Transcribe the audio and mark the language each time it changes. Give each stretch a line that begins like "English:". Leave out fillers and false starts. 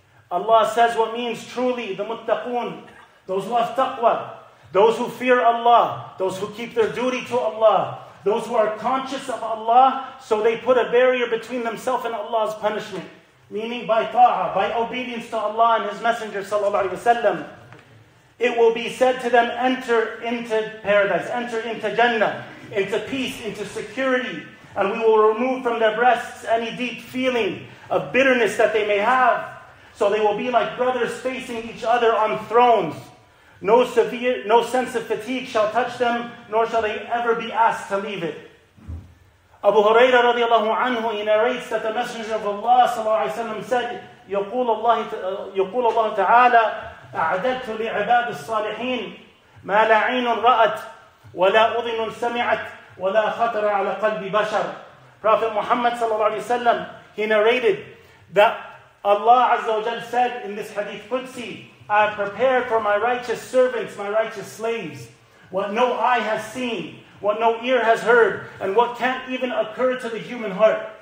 English: Allah says, what means, truly the muttaqun, those who have taqwa, those who fear Allah, those who keep their duty to Allah, those who are conscious of Allah, so they put a barrier between themselves and Allah's punishment, meaning by ta'ah, by obedience to Allah and His Messenger sallallahu alaihi wasallam, it will be said to them, enter into paradise, enter into Jannah, into peace, into security. And we will remove from their breasts any deep feeling of bitterness that they may have. So they will be like brothers facing each other on thrones. No sense of fatigue shall touch them, nor shall they ever be asked to leave it. Abu Hurairah radiallahu anhu, he narrates that the Messenger of Allah sallallahu alayhi wa sallam said,
Arabic: يقول الله تعالى أعددت لعباد الصالحين ما لا عين رأت ولا أذن سمعت ولا خطر على قلب بشر.
English: Prophet Muhammad sallallahu alayhi wa sallam, he narrated that Allah azza wa jal said in this hadith Qudsi, I have prepared for my righteous servants, my righteous slaves, what no eye has seen, what no ear has heard, and what can't even occur to the human heart.